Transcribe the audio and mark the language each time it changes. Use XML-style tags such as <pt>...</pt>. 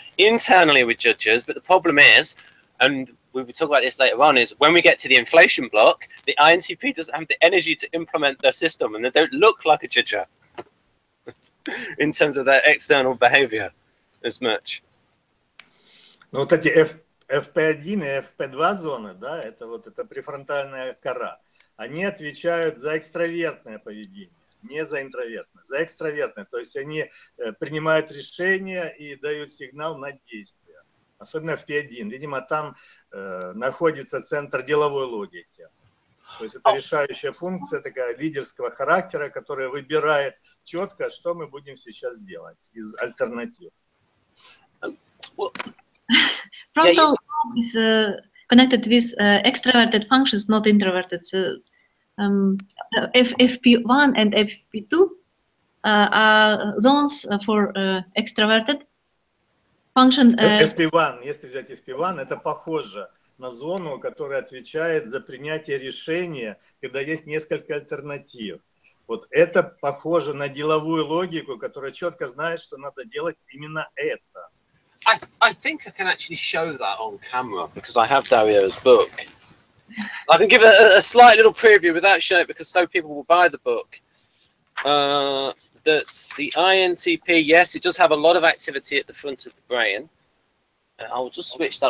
<en>Internally with judges, but the problem is, and we'll talk about this later on, is when we get to the inflation block, the INTP doesn't have the energy to implement their system, and they don't look like a judger in terms of their external behavior as much.</en> <ru>Ну, вот эти FP1 и FP2 зоны, да, это вот эта префронтальная кора, они отвечают за экстравертное поведение. не за интровертные, за экстравертные. То есть они принимают решения и дают сигнал на действие. Особенно в P1. Видимо, там находится центр деловой логики. То есть это решающая функция такая лидерского характера, которая выбирает четко, что мы будем сейчас делать из альтернатив.</ru> <en>Frontal lobe is connected with extroverted functions, not introverted. So, FP1 and FP2 are zones for extroverted function.</en> <ru>FP1, если взять FP1, это похоже на зону, которая отвечает за принятие решения, когда есть несколько альтернатив. Вот это похоже на деловую логику, которая четко знает, что надо делать именно это.</ru> <en>I think I can actually show that on camera because I have Dario's book. I can give a slight little preview without showing it because so people will buy the book. That the INTP, yes, it does have a lot of activity at the front of the brain. I'll just switch that.</en>